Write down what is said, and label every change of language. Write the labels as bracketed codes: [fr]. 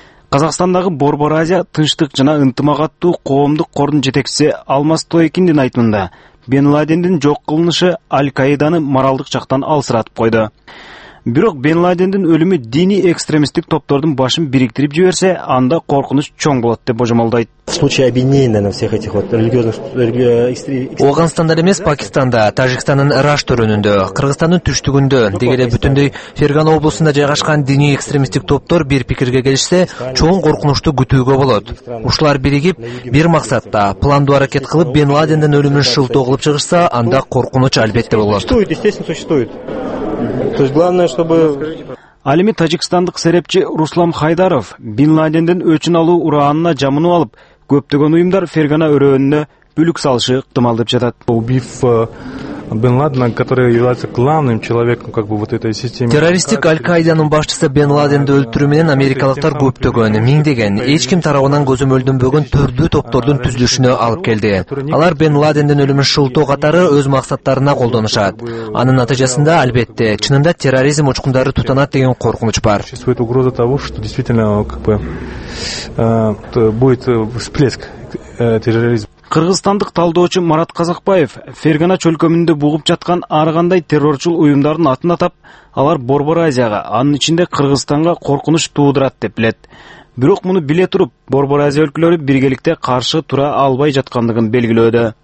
[ky] Казакстандагы Борбор Азия тынчтык жана ынтымагаттуу коомдук кордун жетекчиси Алмаз Тоекиндин айтымында Бин Ладендин жок кылынышы Аль-Каиданы моралдык жактан алсыратып койду. Бирок Бен Ладендин өлүмү диний экстремисттик топтордун башын бириктирип жиберсе, анда коркунуч чоң болот деп божомолдойт. [ru] Случай объединения на всех этих вот религиозных экстремистов. [ky] Афганистанда эмес, Пакистанда, Тажикстандын Раш төрүнүндө, Кыргызстандын түштүгүндө, деги эле бүтүндөй Фергана облусунда жайгашкан диний экстремисттик топтор бир пикирге келишсе, чоң коркунучту күтүүгө болот. Ушулар биригип, бир максатта, пландуу аракет кылып, Бен Ладендин өлүмүн шылтоо кылып чыгышса, анда коркунуч албетте болот. [ru] Существует, естественно, существует. То есть главное, чтобы... [ky] Ал эми тажикстандык серепчи Руслан Хайдаров Бин Ладендин өчүн алуу ураанына жамынуу алып, көптөгөн уюмдар Фергана өрөөнүнө бүлүк салышы ыктымал деп жатат. [ru] Убив Бен Ладена, который является главным человеком как бы вот этой системы. [ky] Террористтик Аль-Каиданын башчысы Бен Ладенди өлтүрүү менен америкалыктар көптөгөн, миңдеген, эч ким тарабынан көзөмөлдөнбөгөн түрдүү топтордун түзүлүшүнө алып келди. Алар Бен Ладендин өлүмүн шылтоо катары өз максаттарына колдонушат. Анын натыйжасында албетте, чынында терроризм учкундары тутанат деген коркунуч бар. [ru] Существует угроза того, что действительно как бы будет всплеск терроризма. [ky] Кыргызстандык талдоочу Марат Казакбаев Фергана чөлкөмүндө бугуп жаткан ар кандай террорчул уюмдардын атын атап, алар Борбор Азияга, анын ичинде Кыргызстанга коркунуч туудурат деп билет. Бирок муну биле туруп, Борбор Азия өлкөлөрү биргеликте каршы тура албай жаткандыгын белгилөөдө.